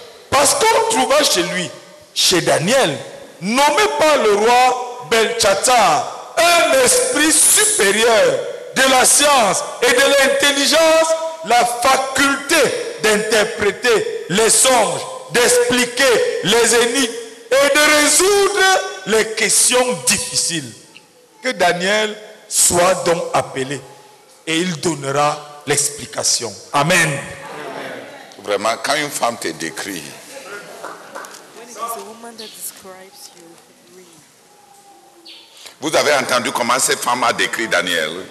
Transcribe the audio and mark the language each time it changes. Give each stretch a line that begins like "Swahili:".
French: Parce qu'on trouva chez lui, chez Daniel, nommé par le roi Belshazzar, un esprit supérieur de la science et de l'intelligence, la faculté d'interpréter les songes, d'expliquer les énigmes et de résoudre les questions difficiles. Que Daniel soit donc appelé et il donnera l'explication. Amen. Amen. Vraiment, quand une femme te décrit,
English: when it is a woman that describes you,
French: vous avez entendu comment cette femme a décrit Daniel.